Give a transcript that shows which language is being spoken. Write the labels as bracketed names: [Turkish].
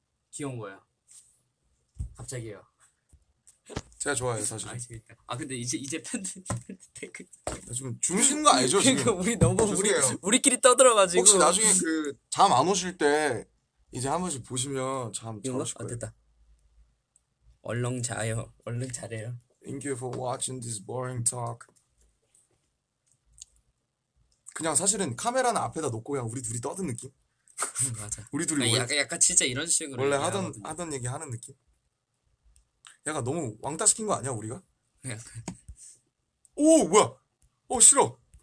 [Korean] 귀여운 거야. 갑자기요. 제가 좋아해요 사실. 아 재밌다. 아 근데 이제 팬들 댓글. 나 지금 주무신 거 알죠 지금. 그러니까 우리 너무 우리끼리 떠들어가지고. 혹시 나중에 그 잠 안 오실 때 이제 한 번씩 보시면 잠 잘 오실 거예요. 아 됐다. 얼른 자요. 얼른 자래요. [English] Thank you for watching this boring talk. [Korean] 그냥 사실은 카메라는 앞에다 놓고 그냥 우리 둘이 떠든 느낌. 맞아. 우리 둘이 원래, 약간 진짜 이런 식으로 원래 하던 얘기 하는 느낌. 약간 너무 왕따 시킨 거 아니야 우리가? 오 뭐야? 어 싫어.